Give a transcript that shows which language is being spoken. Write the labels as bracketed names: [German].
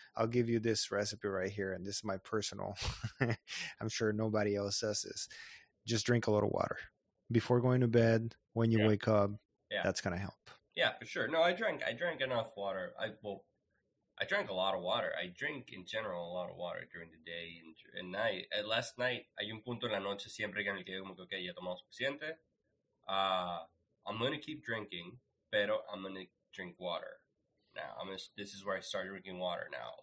[English] I'll give you this recipe right here, and this is my personal. I'm sure nobody else does this. Just drink a lot of water. before going to bed, when you wake up, that's going to help. Yeah, for sure. No, I drank enough water. I drank a lot of water. I drink in general a lot of water during the day and at night. Last night, [Spanish] hay un punto en la noche siempre que en el que digo, okay, ya tomo suficiente. [English] I'm going to keep drinking, pero I'm going to drink water. Now, this is where I start drinking water now.